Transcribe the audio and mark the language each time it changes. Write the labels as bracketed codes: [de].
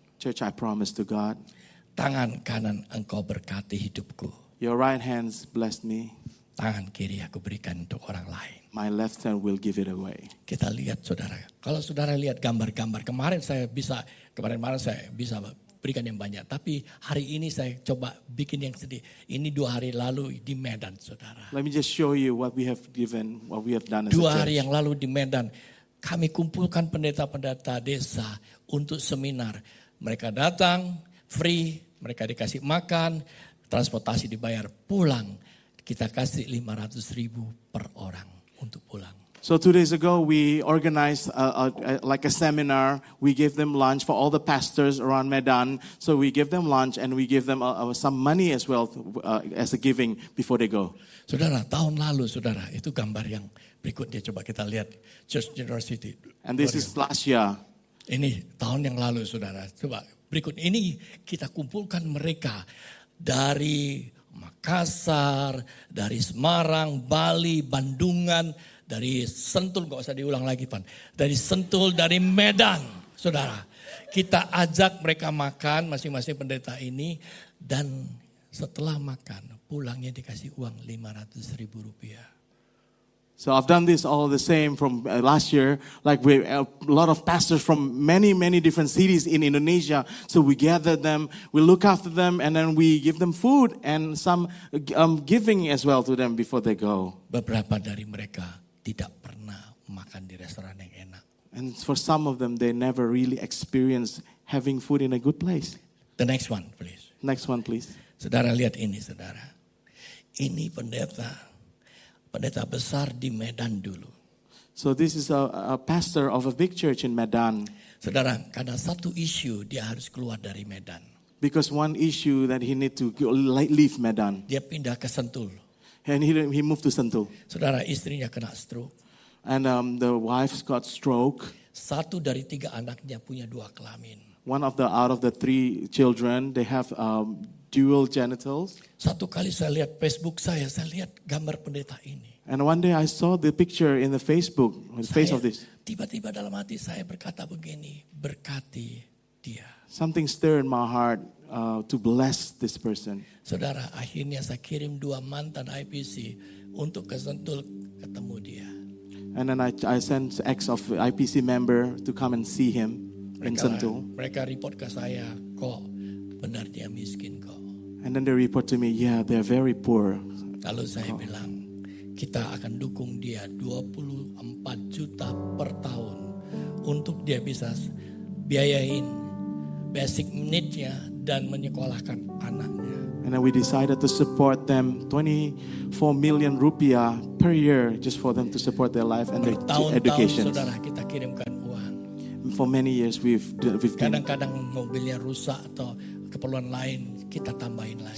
[en] Church, I promise to God. [id] Tangan kanan engkau berkati hidupku. [en] Your right hand bless me. [id] Tangan kiri aku berikan untuk orang lain. [en] My left hand will give it away. [id] Kita lihat saudara. Kalau saudara lihat gambar-gambar. Kemarin saya bisa berikan yang banyak. Tapi hari ini saya coba bikin yang sedih. Ini 2 hari lalu di Medan saudara. [en] Let me just show you what we have given, what we have done as a church. [id] 2 hari yang lalu di Medan. Kami kumpulkan pendeta-pendeta desa untuk seminar. Mereka datang, free, mereka dikasih makan, transportasi dibayar, pulang. Kita kasih 500 ribu per orang untuk pulang. [en] So 2 days ago we organized like a seminar. We gave them lunch for all the pastors around Medan. So we gave them lunch and we gave them some money as well as a giving before they go. [id] Saudara, tahun lalu saudara, itu gambar yang berikutnya coba kita lihat Church Generosity. [en] And this is last year. [id] Ini tahun yang lalu saudara. Coba berikut ini kita kumpulkan mereka dari Makassar, dari Semarang, Bali, Bandungan. Dari Sentul, gak usah diulang lagi, Pan. Dari Sentul, dari Medan, saudara. Kita ajak mereka makan, masing-masing pendeta ini. Dan setelah makan, pulangnya dikasih uang ₹500,000. [en] So I've done this all the same from last year. Like we a lot of pastors from many, many different cities in Indonesia. So we gather them, we look after them, and then we give them food and some giving as well to them before they go. [id] Beberapa dari mereka tidak pernah makan di restoran yang enak. [en] And for some of them, they never really experience having food in a good place. The next one, please. Next one, please. [id] Saudara, lihat ini, saudara. Ini pendeta. Pendeta besar di Medan dulu. [en] So this is a pastor of a big church in Medan. [id] Saudara, karena satu isu, dia harus keluar dari Medan. [en] Because one issue that he need to leave Medan. [id] Dia pindah ke Sentul. [en] And he moved to Sentul. [id] Saudara, istrinya kena stroke. [en] And the wife's got stroke. [id] Satu dari 3 anaknya punya 2 kelamin. [en] One of the out of the 3 children, they have dual genitals. [id] Satu kali saya lihat Facebook saya lihat gambar pendeta ini. [en] And one day I saw the picture in the Facebook, the saya, face of this. [id] Tiba-tiba dalam hati saya berkata begini, berkati dia. [en] Something stirred in my heart to bless this person. [id] Saudara, akhirnya saya kirim dua mantan IPC untuk ke Sentul ketemu dia. [en] And then I sent ex of IPC member to come and see him [id] mereka, [en] in Sentul. [id] Mereka report ke saya, kok benar dia miskin kok. [en] And then they report to me, yeah, they are very poor. [id] Lalu saya bilang, kita akan dukung dia 24 juta per tahun untuk dia bisa biayain basic need-nya dan menyekolahkan anaknya. [en] And then we decided to support them 24 million rupiah per year just for them to support their life and their education. [id] Saudara, kita kirimkan uang. [en] For many years we've [id] kadang-kadang mobilnya rusak atau keperluan lain, kita tambahin lagi.